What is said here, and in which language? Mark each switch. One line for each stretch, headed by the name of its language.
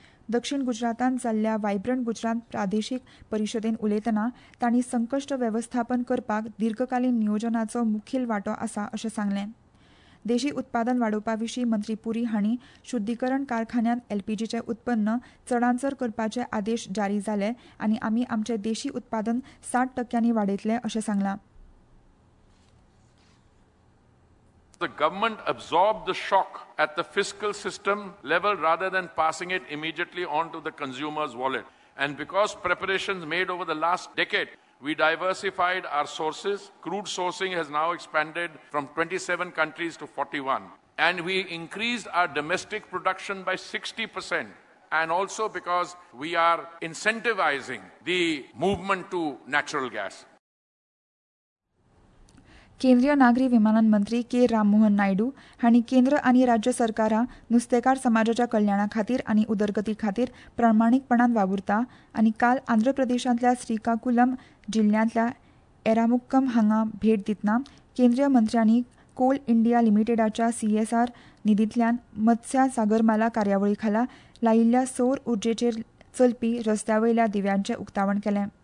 Goan Konkani: दक्षिण गुजरातान जाल्ल्या वायब्रंट गुजरात प्रादेशिक परिषदेन उलयतना तांणी संकश्ट वेवस्थापन करपाक दीर्घकालीन नियोजनाचो मुखेल वांटो आसा असे सांगले. देशी उत्पादन वाढोवपाविशी मंत्री पुरी हांणी शुद्धीकरण कारखान्यात एलपीजीचे उत्पन्न चडांचर करपाचे आदेश जारी झाले आणि आम्ही आमचे देशी उत्पादन 60% वाढयतले असे सांगला.
English: The government absorbed the shock at the fiscal system level rather than passing it immediately on to the consumer's wallet. And because preparations made over the last decade, we diversified our sources. Crude sourcing has now expanded from 27 countries to 41. And we increased our domestic production by 60%. And also because we are incentivizing the movement to natural gas.
Goan Konkani: केंद्रीय नागरी विमानन मंत्री K Rammohan Naidu हांणी केंद्र आणि राज्य सरकारां नुस्तेकार समाजाच्या कल्याणा खातीर आणि उदरगती खातीर प्रामाणिकपणान वावुरता आणि काल आंध्र प्रदेशांतल्या श्रीकाकुलम जिल्ह्यांतल्या एरामुक्कम हांगा भेट दितना केंद्रीय मंत्र्यांनी कोल इंडिया लिमिटेडाच्या सीएसआर निधीतल्यान मत्स्य सागरमाला कार्यावळी खाला लायिल्ल्या सौर उर्जेचेर चलपी रस्त्यावयल्या दिव्यांचे उक्तावण केले.